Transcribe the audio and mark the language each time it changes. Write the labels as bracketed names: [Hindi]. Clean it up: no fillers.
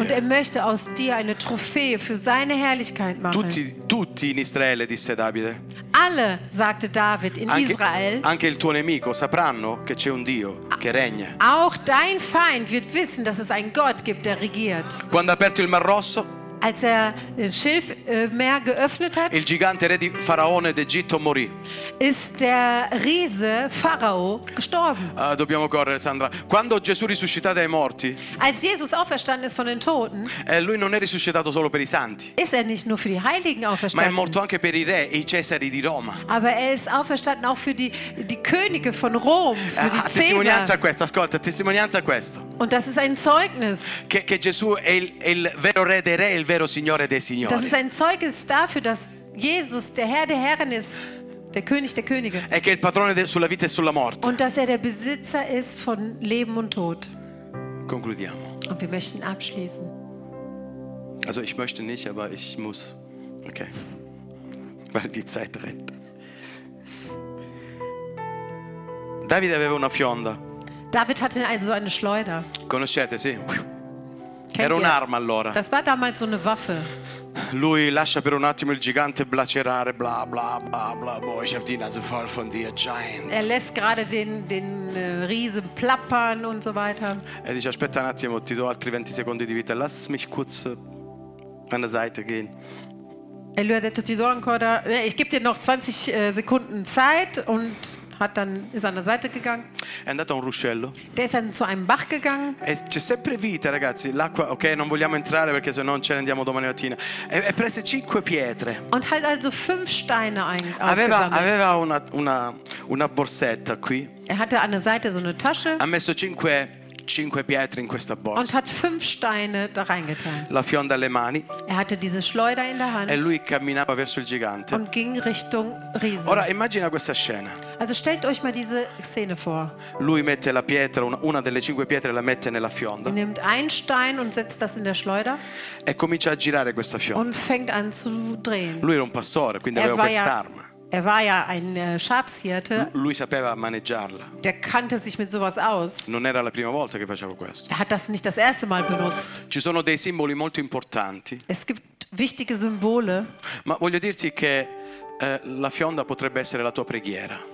[German] Und er möchte aus dir eine Trophäe für seine Herrlichkeit machen. [Italian] Tutti in Israele, disse Davide. [German] Alle, sagte David, in Israel. [Italian] Anche il tuo nemico sapranno che c'è un Dio che regna. [German] Auch dein Feind wird wissen, dass es einen Gott gibt, der regiert. [Italian] Quando ha aperto il Mar Rosso. [German] Als er das Schilfmeer geöffnet hat, [Italian] il gigante re di Faraone d'Egitto morì. [German] Ist der Riese Pharao gestorben. [Italian] Dobbiamo correre, Sandra. Quando Gesù risuscita dai morti, [German] als Jesus auferstanden ist von den Toten, [Italian] lui non è risuscitato solo per i santi, [German] ist er nicht nur für die Heiligen auferstanden, [Italian] ma è morto anche per i re e i cesari di Roma. [German] Aber er ist auferstanden auch für die Könige von Rom, für die Cesare. [Italian] Testimonianza questa, ascolta, testimonianza questo. [German] Und das ist ein Zeugnis. [Italian] Che Gesù è il vero re dei re, il vero signore dei signori. [German] Das ist ein Zeugnis dafür, dass Jesus der Herr der Herren ist, der König der Könige. [Italian] E che è il padrone sulla vita e sulla morte. [German] Und dass er der Besitzer ist von Leben und Tod. [Italian] Concludiamo. [German] Und wir möchten abschließen. Also ich möchte nicht, aber ich muss. Okay. Weil die Zeit rennt. [Italian] Davide aveva una fionda. [German] David hatte also eine Schleuder. [Italian] Conoscete, sì. [German] Kennt [Italian] era un'arma allora. [German] Das war damals so eine Waffe. [Italian] Lui lascia per un attimo il gigante blacerare, bla bla bla bla. [German] Boah, ich hab die Nase voll von dir, Giant. Er lässt gerade den Riesen plappern und so weiter. [Italian] E dice, aspetta un attimo, ti do altri 20 secondi di vita. [German] Lass mich kurz an der Seite gehen. [Italian] E lui ha detto, ti do ancora. [German] Ich geb dir noch 20 Sekunden Zeit und. Hat dann ist an der Seite gegangen. [Italian] È andato a un ruscello. [German] Der ist dann zu einem Bach gegangen. [Italian] E c'è sempre vita, ragazzi. L'acqua, ok, non vogliamo entrare perché se no ce ne andiamo domani mattina. E prese 5 pietre. [German] Und hat also 5 Steine eingesammelt. [Italian] Aveva una borsetta qui. [German] Er hatte an der Seite so eine Tasche. [Italian] Ha messo 5 pietre in questa borsa. [German] Und hat 5 Steine da reingetan. [Italian] La fionda alle mani. [German] Er hatte diese Schleuder in der Hand. [Italian] E lui camminava verso il gigante. [German] Und ging Richtung Riesen. [Italian] Ora immagina questa scena. [German] Also stellt euch mal diese Szene vor. [Italian] Lui mette la pietra, una delle 5 pietre la mette nella fionda. [German] Er nimmt einen Stein und setzt das in der Schleuder. [Italian] E comincia a girare questa fionda. [German] Und fängt an zu drehen. [Italian] Lui era un pastore, quindi aveva quest'arma. [German] Er war ja ein Schafshirte. [Italian] Lui sapeva maneggiarla. [German] Der kannte sich mit sowas aus. [Italian] Non era la prima volta che faceva questo. [German] Er hat das nicht das erste Mal benutzt. [Italian] Ci sono dei simboli molto importanti. [German] Es gibt wichtige Symbole. [Italian] Ma voglio dirti che la fionda potrebbe essere la tua preghiera.